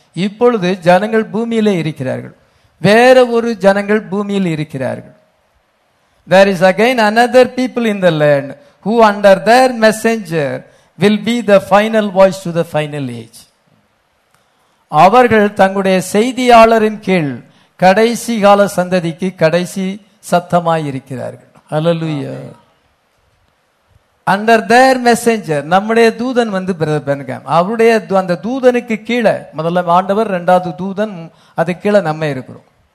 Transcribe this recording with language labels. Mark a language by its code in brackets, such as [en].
[ta] இப்பொழுது ஜனங்கள் பூமியிலே இருக்கிறார்கள், வேற ஒரு ஜனங்கள் பூமியில் இருக்கிறார்கள். [en] There is again another people in the land who under their messenger will be the final voice to the final age. [ta] அவர்கள் தங்களுடைய செய்தியாளரின் கீழ் கடைசி கால சந்ததிக்கு கடைசி சத்தமாய் இருக்கிறார்கள். ஹல்லேலூயா. [en] under their messenger, [ta] நம்முடைய தூதன் வந்து பிரதர் பென்காம், அவருடைய அந்த தூதனுக்கு கீழே, முதல்ல ஆண்டவர், ரெண்டாவது தூதன், அது கீழே நம்ம இருக்கிறோம்.